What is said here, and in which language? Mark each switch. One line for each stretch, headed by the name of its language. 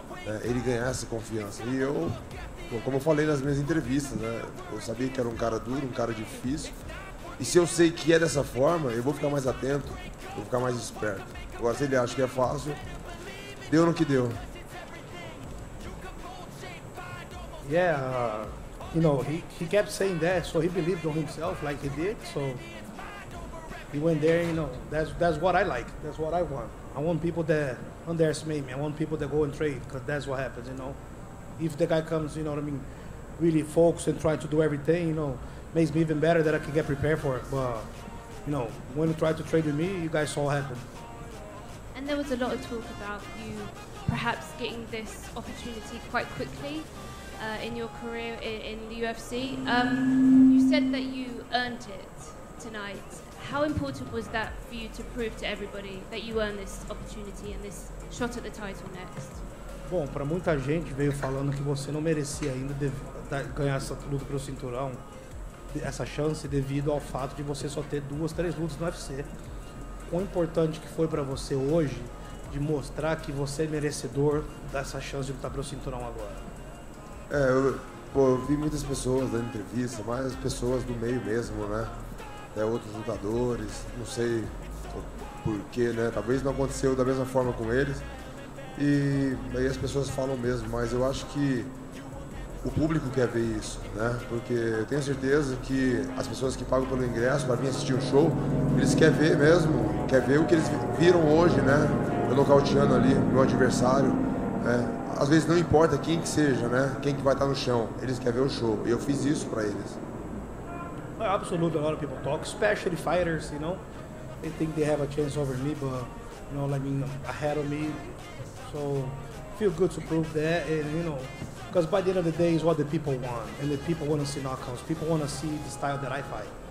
Portuguese: É, ele ganhar essa confiança. E eu, como eu falei nas minhas entrevistas, né? Eu sabia que era um cara duro, um cara difícil. E se eu sei que é dessa forma, eu vou ficar mais atento, vou ficar mais esperto. Agora, se ele acha que é fácil, deu no que deu.
English: Yeah, you know, he kept saying that, so he believed on himself like he did, so... He went there, you know, that's what I like, that's what I want. I want people that underestimate me, I want people that go and trade, because that's what happens, you know. If the guy comes, you know what I mean, really focused and trying to do everything, you know, makes me even better that I can get prepared for it. But, you know, when you try to trade with me, you guys saw what happened. And there was a lot of talk about you perhaps getting this opportunity quite quickly in your career in the UFC. You said that you earned it tonight. How important was that for you to prove to everybody that you earned this opportunity and this shot at the title next?
Portuguese: Bom, para muita gente veio falando que você não merecia ainda ganhar essa luta pelo cinturão, essa chance, devido ao fato de você só ter 2, 3 lutas no UFC. Quão importante que foi para você hoje de mostrar que você é merecedor dessa chance de lutar pelo cinturão agora? Eu vi muitas pessoas dando entrevista, várias pessoas do meio mesmo, né? Até outros lutadores, não sei porquê, né? Talvez não aconteceu da mesma forma com eles. E aí as pessoas falam mesmo, mas eu acho que o público quer ver isso, né? Porque eu tenho certeza que as pessoas que pagam pelo ingresso para vir assistir o show, eles querem ver mesmo, querem ver o que eles viram hoje, né? Eu nocauteando ali meu adversário, né? Às vezes não importa quem que seja, né? Quem que vai estar no chão, eles querem ver o show. E eu fiz isso para eles.
English: Absolutely, a lot of people talk, especially fighters, you know. They think they have a chance over me, but, you know, like, ahead of me. So, feel good to prove that, and, you know, because by the end of the day, it's what the people want. And the people want to see knockouts. People want to see the style that I fight.